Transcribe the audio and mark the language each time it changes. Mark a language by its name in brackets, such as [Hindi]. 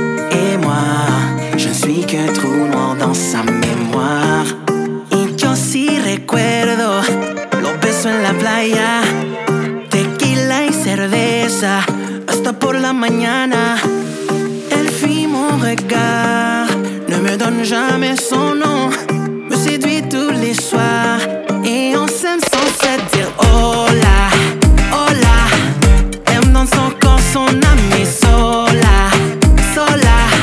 [French] Et moi, je ne suis qu'un trou noir dans sa mémoire. [Spanish] Et yo si recuerdo los besos en la playa. Tequila y cerveza hasta por la mañana. [French] Elle fuit mon regard, ne me donne jamais son nom. Me séduit tous les soirs et on s'aime sans se dire [Spanish] hola, hola. [French] Aime dans son corps son âme et [Spanish] sola, sola.